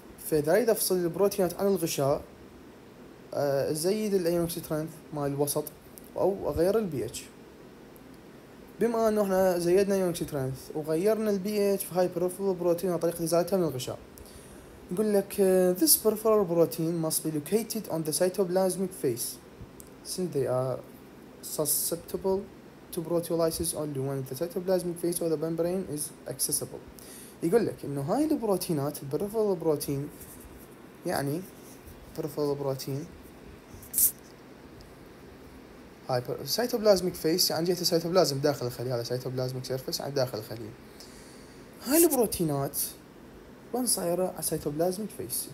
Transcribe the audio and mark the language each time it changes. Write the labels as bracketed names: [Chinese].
[Arabic] فإذا أريد أفصل البروتينات عن الغشاء أزيد الأيونيك سترينث مال الوسط أو أغير البي اتش. بما أنه إحنا زيدنا أيونيك سترينث وغيرنا البي اتش في هاي بيرفرال بروتين عن طريق إزالتها من الغشاء. يقول لك [English] this peripheral protein must be located on the cytoplasmic face since they are susceptible to proteolysis only when the cytoplasmic face or the membrane is accessible. [Arabic] يقول لك انه هاي البروتينات البرفل بروتين، يعني برفل بروتين هاي سيتوبلازميك فيس، يعني جهة السيتوبلازم داخل الخلية، هذا سيتوبلازميك سيرفس يعني داخل الخلية. هاي البروتينات وين صايرة؟ على سيتوبلازميك فيس.